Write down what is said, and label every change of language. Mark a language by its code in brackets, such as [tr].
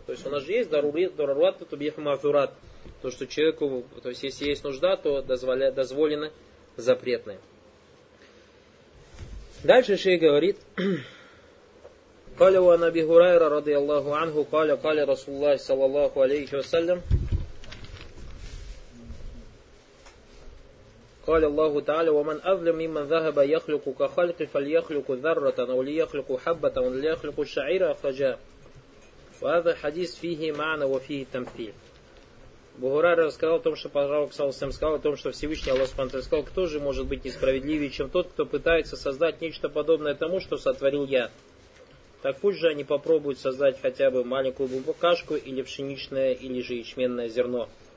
[ru] То есть у нас же есть [ar] дарурат, тубьеха мазурат. [ru] То, что человеку, то есть если есть нужда, то дозволено запретное. Дальше шейх говорит. [ar] Каля у анаби Хурайра, ради Аллаху ангу, каля Расулуллах, саллаллаху алейхи вассалям. قال الله تعالى ومن أظلم ممن ذهب يخلق كخلق فليخلق ذرة أو ليخلق حبة أو ليخلق شعيرة فجاء وهذا حديث فيه معنى وفيه تمثيل. [ru] Бухарари рассказал о том, что Пророк саллаллаху алейхи ва саллям сказал о том, что Всевышний Аллах субхана ва тааля сказал, кто же может быть несправедливее, чем тот, кто пытается создать нечто подобное тому, что сотворил я. Так пусть же они попробуют создать хотя бы маленькую букашку или пшеничное или же ячменное зерно.